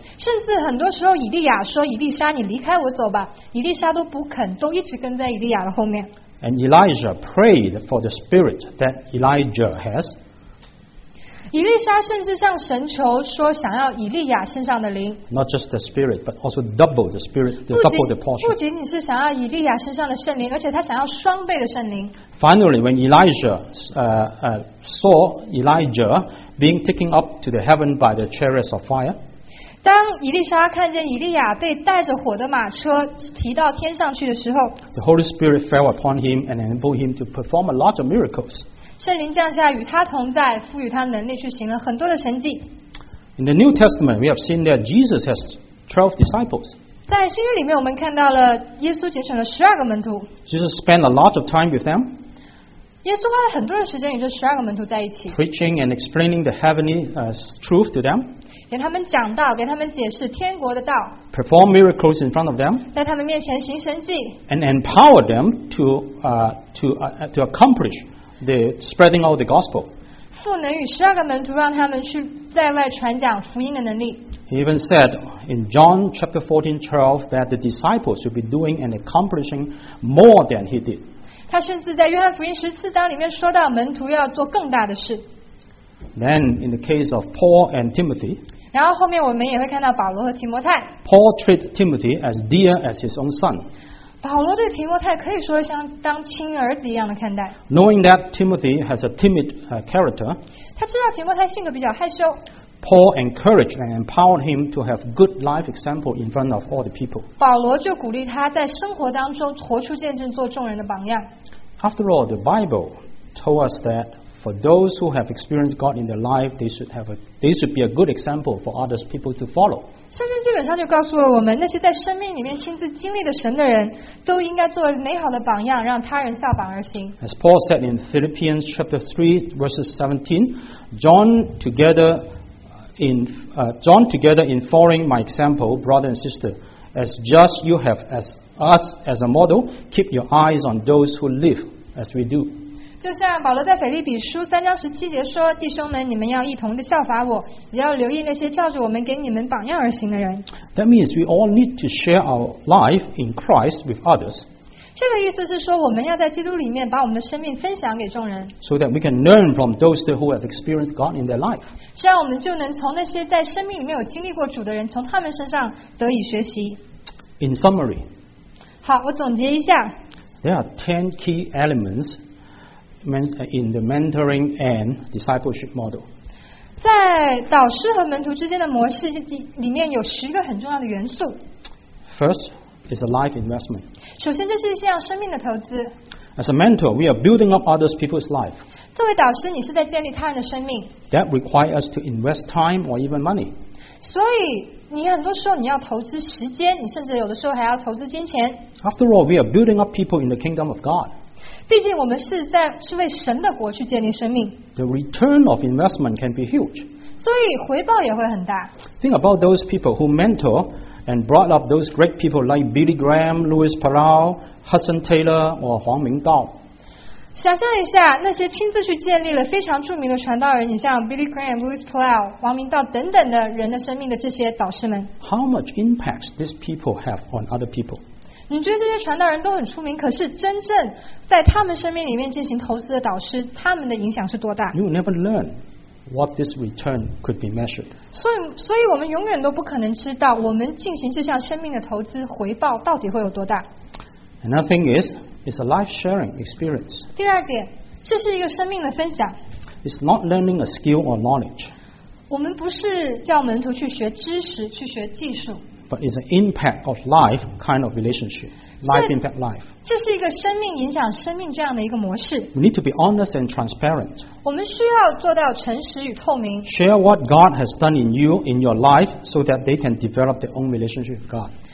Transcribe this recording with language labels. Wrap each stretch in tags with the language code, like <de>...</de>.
<zh>甚至很多时候以利亚说以利沙你离开我走吧，以利沙都不肯，都一直跟在以利亚的后面。</zh> <en>And Elijah prayed for the spirit that Elijah has.</en> <zh>以利沙甚至向神求说想要以利亚身上的灵。</zh> <en>Not just the spirit, but also double the spirit, double the portion.</en> <zh>不仅是想要以利亚身上的圣灵，而且他想要双倍的圣灵。</zh> <en>Finally, when Elijah saw Elijah being taken up to the heaven by the chariots of fire,</en> <zh>当以利沙看见以利亚被带着火的马车提到天上去的时候，</zh> <en>the Holy Spirit fell upon him and enabled him to perform a lot of miracles.</en> <zh>圣灵降下与他同在，赋予他能力去行了很多的神迹。</zh> <en>In the New Testament, we have seen that Jesus has 12 disciples.</en> <zh>在新约里面，我们看到了耶稣拣选了十二个门徒。</zh> <en>Jesus spent a lot of time with them.</en> <zh>耶稣花了很多的时间与这十二个门徒在一起。</zh> <en>Preaching and explaining the heavenly truth to them.</en> <zh>给他们讲道，给他们解释天国的道。</zh> <en>Perform miracles in front of them.</en> <zh>在他们面前行神迹。</zh> <en>And empower them to accomplish the spreading of the gospel.</en> <zh>赋能与十二个门徒，让他们去在外传讲福音的能力。</zh> <en>He even said in John chapter 14:12 that the disciples would be doing and accomplishing more than he did.</en> <zh>他甚至在约翰福音十四章里面说到门徒要做更大的事。</zh> <en>Then in the case of Paul and Timothy,</en> <zh>然后后面我们也会看到保罗和提摩太。</zh> <en>Paul treated Timothy as dear as his own son.</en> <zh>保罗对提摩太可以说像当亲儿子一样的看待。</zh> <en>Knowing that Timothy has a timid character,</en> <zh>他知道提摩太性格比较害羞。</zh> <en>Paul encouraged and empowered him to have good life example in front of all the people.</en> <zh>保罗就鼓励他在生活当中活出见证，做众人的榜样。</zh> <en>After all, the Bible told us that for those who have experienced God in their life, they should be a good example for other people to follow.</en> <zh>圣经基本上就告诉了我们，那些在生命里面亲自经历的神的人，都应该作为美好的榜样，让他人效仿而行。</zh> <en>As Paul said in Philippians chapter 3, verses 17, John together in following my example, brother and sister, as just you have as us as a model, keep your eyes on those who live as we do.</en> <zh>就像保罗在腓立比书三章十七节说，弟兄们，你们要一同的效法我，也要留意那些照着我们给你们榜样而行的人。</zh> <en>That means we all need to share our life in Christ with others.</en> <zh>这个意思是说，我们要在基督里面把我们的生命分享给众人。</zh> <en>So that we can learn from those who have experienced God in their life.</en> <zh>这样我们就能从那些在生命里面有经历过主的人，从他们身上得以学习。</zh> <en>In summary,</en> <zh>好，我总结一下。</zh> <en>There are 10 key elements in the mentoring and discipleship model.</en> <zh>在导师和门徒之间的模式里面有十个很重要的元素。</zh> <en>First is a life investment.</en> <zh>首先这是一项生命的投资。</zh> <en>As a mentor, we are building up other people's life.</en> <zh>作为导师，你是在建立他人的生命。</zh> <en>That requires us to invest time or even money.</en> <zh>所以你很多时候你要投资时间，你甚至有的时候还要投资金钱。</zh> <en>After all, we are building up people in the kingdom of God.</en> <zh>毕竟我们是为神的国去建立生命。</zh> <en>The return of investment can be huge.</en> <zh>所以回报也会很大。</zh> <en>Think about those people who mentor and brought up those great people like Billy Graham, Louis Palau. Hudson Taylor or Huang Mingdao.</en> <zh>想象一下，那些亲自去建立了非常著名的传道人，你像 Billy Graham, Louis Palau, 王明道等等的人的生命的这些导师们。</zh> <en>How much impact these people have on other people?</en> <zh>你觉得这些传道人都很出名，可是真正在他们生命里面进行投资的导师，他们的影响是多大</zh> <en>？You never learn what this return could be measured.</en> <zh>所以我们永远都不可能知道，我们进行这项生命的投资回报到底会有多大。</zh> <en>Another thing is, it's a life-sharing experience.</en> <zh>第二点，这是一个生命的分享。</zh> <en>It's not learning a skill or knowledge.</en> <zh>我们不是叫门徒去学知识，去学技术。</zh> <en>But it's an impact of life kind of relationship. Life impact life.</en> <zh>这是一个生命影响生命这样的一个模式。</zh> <en>We need to be honest and transparent.</en> <zh>我们需要做到诚实与透明。</zh> <en>Share what God has done in you in your life so that they can develop their own relationship with God.</en>